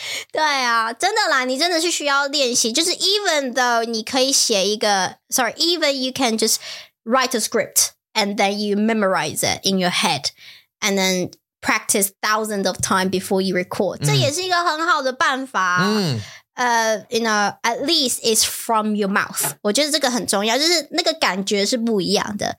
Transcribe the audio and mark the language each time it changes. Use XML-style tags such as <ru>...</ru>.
<zh>对啊,真的啦,你真的是需要练习. 就是</zh> <en>even though</en> <zh>你可以写一个...</zh> <en>Sorry, even you can just write a script and then you memorize it in your head. And then... practice thousands of times before you record.</en> <zh>这也是一个很好的办法.</zh> <en>You know, at least it's from your mouth.</en> <zh>我觉得这个很重要,就是那个感觉是不一样的.</zh>